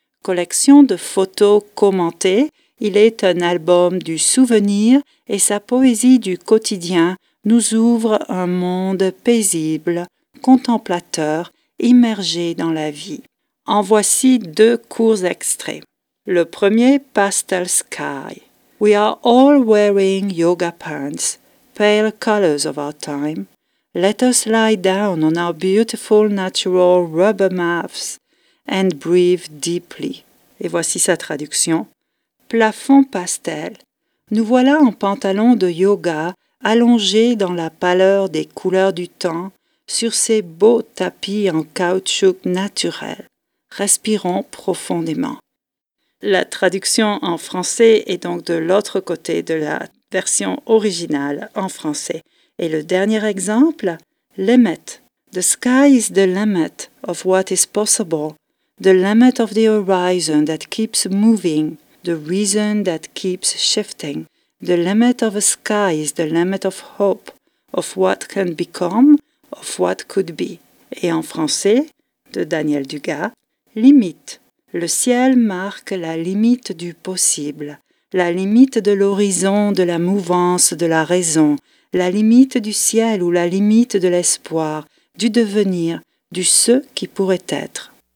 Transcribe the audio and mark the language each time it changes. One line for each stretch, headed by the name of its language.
French: Collection de photos commentées, il est un album du souvenir et sa poésie du quotidien nous ouvre un monde paisible, contemplateur, immergé dans la vie. En voici deux courts extraits. Le premier, Pastel Sky.
English: We are all wearing yoga pants, pale colors of our time. Let us lie down on our beautiful natural rubber mats and breathe deeply.
French: Et voici sa traduction. Plafond pastel. Nous voilà en pantalon de yoga, allongés dans la pâleur des couleurs du temps, sur ces beaux tapis en caoutchouc naturel. Respirons profondément. La traduction en français est donc de l'autre côté de la version originale en français. Et le dernier exemple, Limit.
English: The sky is the limit of what is possible. The limit of the horizon that keeps moving. The reason that keeps shifting. The limit of a sky is the limit of hope. Of what can become, of what could be.
French: Et en français, de Daniel Dugas, Limite. Le ciel marque la limite du possible, la limite de l'horizon, de la mouvance, de la raison, la limite du ciel ou la limite de l'espoir, du devenir, du ce qui pourrait être.